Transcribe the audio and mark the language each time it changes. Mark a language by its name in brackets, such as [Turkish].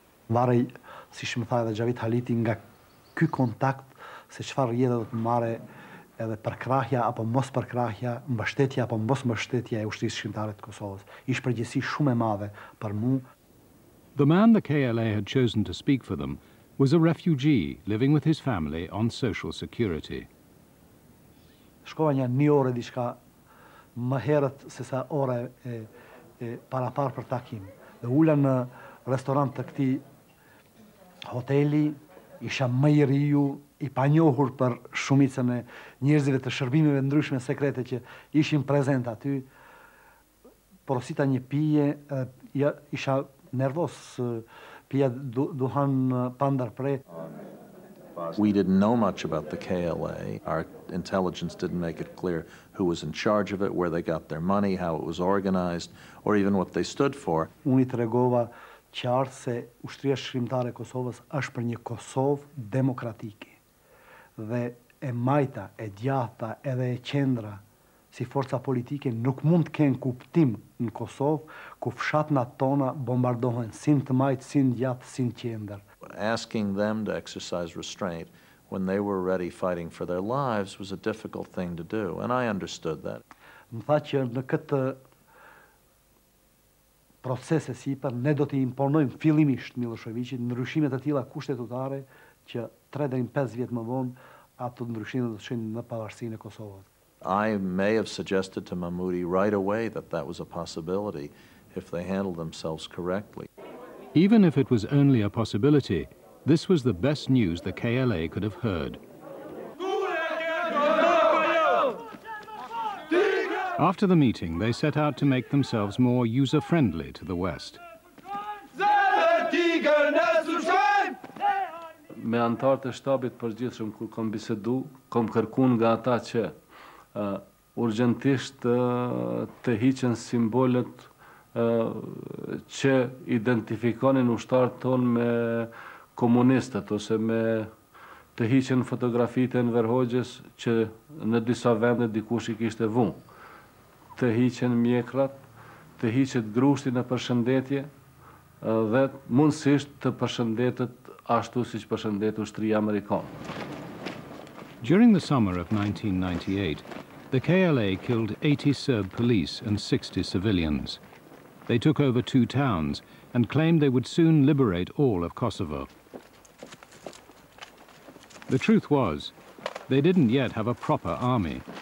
[Albanian] Marej si shumë tha edhe Gjavit Haliti nga ky kontakt se çfarë rjedhë do të marrë edhe përkrahja apo mos përkrahja, mbështetja apo mos mbështetja e ushtrisë shqiptare të Kosovës. Ishte përgjegjësi shumë e madhe për mua. [English] The man the KLA had chosen to speak for them was a refugee living with his family on social security. [Albanian] Shkova një orë diçka më herët se sa orë e para par për takim. Dhe ula në restorant të këtij hoteli, isha më i riu, i panjohur për shumicën e njerëzve të shërbimeve ndryshme sekrete që ishin prezent aty, porosita një pije, isha nervos, pija duhan pa ndërprer. [English] We didn't know much about the KLA. Our intelligence didn't make it clear who was in charge of it, where they got their money, how it was organized, or even what they stood for. [Albanian] Unë i tregova qartë se ushtria shkrimtare e Kosovës është për një Kosovë demokratike. Dhe e majta, e djatha, edhe e qendra, si forca politike, nuk mund të kenë kuptim në Kosovë, ku fshatnat tona bombardohen, sin të majtë, sin djatë, sin qendër. [English] Asking them to exercise restraint when they were ready fighting for their lives was a difficult thing to do, and I understood that. [Albanian] Më tha që në këtë procese si për ne do t'i imponojmë fillimisht Miloševićit ndryshimet e tila kushtetutare që 3-5 vjetë më vonë ato ndryshimet do të shenë në pavarësinë e Kosovës. [English] I may have suggested to Mahmudi right away that that was a possibility if they handled themselves correctly. Even if it was only a possibility, this was the best news the KLA could have heard. After the meeting, they set out to make themselves more user-friendly to the West. [Albanian] Me antarët e shtabit përgjithshëm kur kam bisedu, kam kërkuar nga ata që urgjentisht të hiqen simbolet që identifikonin ushtarët tonë me komunistët ose me të hiqen fotografitë e Enverhoxhës që në disa vende dikush i kishte vënë. Të hiqen mjekrat, të hiqet grushti në përshëndetje dhe mundësisht të përshëndetet ashtu siç përshëndet ushtria amerikane. [English] During the summer of 1998, the KLA killed 80 Serb police and 60 civilians. They took over two towns and claimed they would soon liberate all of Kosovo. The truth was, they didn't yet have a proper army.